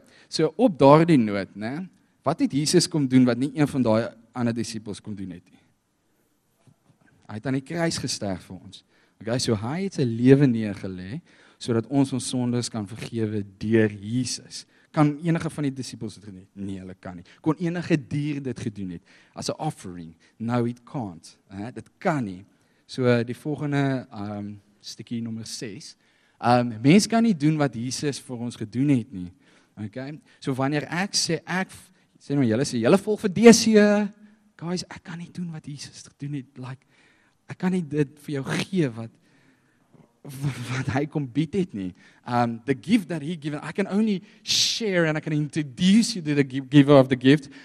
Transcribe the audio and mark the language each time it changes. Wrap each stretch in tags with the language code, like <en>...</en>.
<af>So op daar die noot, ne, wat het Jesus kom doen, wat nie een van die ander disciples kom doen het? Hy het aan die kruis gesterf vir ons. Ok, so hy het sy leven neergelê, sodat ons ons sondes kan vergewe deur Jesus. Kan enige van die disciples dit gedoen? Nee, hulle kan nie. Kon enige dier dit gedoen het?</af> <en>As a offering. No, it can't.</en> <af>Dit kan nie. So die volgende stikkie nummer 6. Mens kan nie doen wat Jesus vir ons gedoen het nie. Okay? So wanneer ek sê, julle volg vir DC, guys, ek kan nie doen wat Jesus gedoen het. Like, ek kan nie dit vir jou gee wat hy kom bied het nie.</af> <en>The gift that he given, I can only share and I can introduce you to the giver of the gift.</en>